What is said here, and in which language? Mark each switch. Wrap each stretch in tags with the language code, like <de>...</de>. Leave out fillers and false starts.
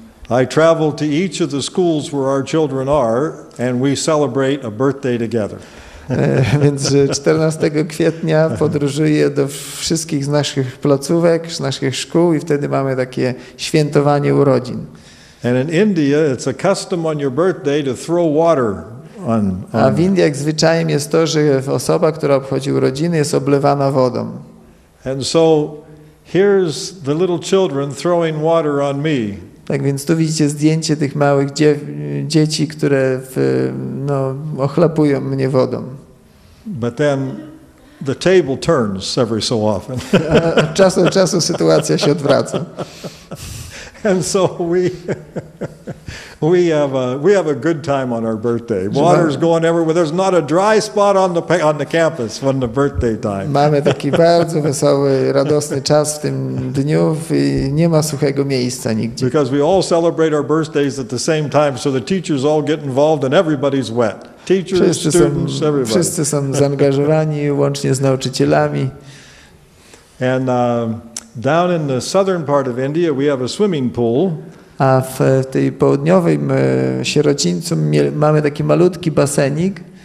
<en>I travel to each of the schools where our children are, and we celebrate a birthday together.</en> <pl>Więc 14 kwietnia podróżuję do wszystkich z naszych placówek, z naszych szkół I wtedy mamy takie świętowanie urodzin.</pl> <en>And in India it's a custom on your birthday to throw water on.</en> <pl>A w Indiach zwyczajem jest to, że osoba, która obchodzi urodziny, jest oblewana wodą.</pl> <en>And so here's the little children throwing water on me.</en> <pl>Tak więc tu widzicie zdjęcie tych małych dzieci, które ochlapują mnie wodą.</pl> <en>But then the table turns every so often.</en> <pl>A czas od czasu sytuacja się odwraca.</pl> <en>And so we have a good time on our birthday. Water's going everywhere. There's not a dry spot on the campus when the birthday time.</en> <pl>Mamy taki bardzo wesoły, radosny czas w tym dniu I nie ma suchego miejsca nigdzie.</pl> <en>Because we all celebrate our birthdays at the same time, so the teachers all get involved and everybody's wet. Teachers, students, everybody.</en> <pl>Wszyscy są zaangażowani łącznie z nauczycielami.</pl> <en>And down in the southern part of India, we have a swimming pool.</en> <pl>A w tej południowej sierocińcu mamy taki malutki basenik.</pl>